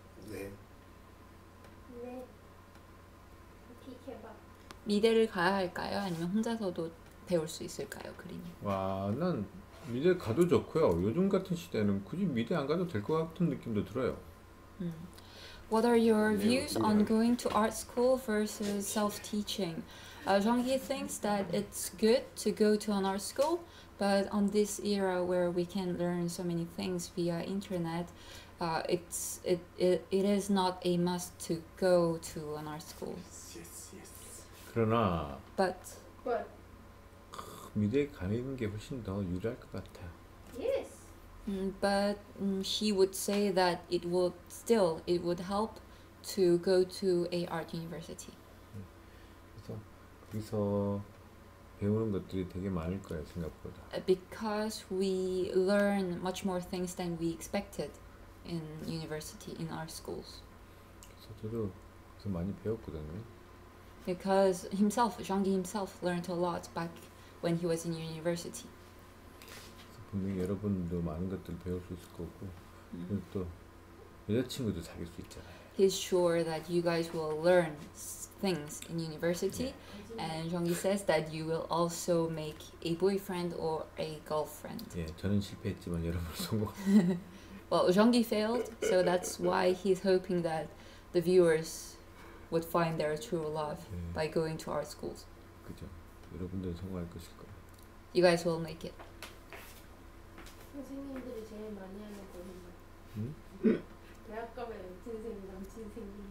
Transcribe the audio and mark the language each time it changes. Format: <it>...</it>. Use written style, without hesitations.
<ko>네. 네. 비켜봐. 미대를 가야 할까요? 아니면 혼자서도 배울 수 있을까요? 그림이. 와, 난 미대 가도 좋고요. 요즘 같은 시대는 굳이 미대 안 가도 될 것 같은 느낌도 들어요.</ko> <en>What are your views on going to art school versus self-teaching? Jeonggi thinks that it's good to go to an art school, But on this era where we can learn so many things via internet, it is not a must to go to an art school. Yes.</en> <ko>그러나</ko> <en>But</en> <ko>미대에 가는 게 훨씬 더 유리할 것 같아.</ko> <en>Yes. But he would say that it would help to go to a art university.</en> <ko>그래서 거기서 배우는 것들이 되게 많을 거야 생각보다.</ko> <en>Because we learn much more things than we expected in university in our schools.</en> <ko>그래서 저도 그래서 많이 배웠거든요.</ko> <en>Because himself, Zhanggi himself learned a lot back when he was in university.</en> <ko>분명히 여러분도 많은 것들 배울 수 있을 거고 또 여자친구도 사귈 수 있잖아요.</ko> <en>He's sure that you guys will learn things in university, and Zhonggi says that you will also make a boyfriend or a girlfriend.</en> <ko>예, 저는 실패했지만 여러분 성공.</ko> <en>Well, Zhonggi failed, so that's why he's hoping that the viewers would find their true love by going to art schools.</en> <ko>그죠. 여러분들 성공할 것일 거예요.</ko> <en>You guys will make it.</en> <ko>선생님들이 제일 많이 하는 거는 대학 가면 남친생이</ko>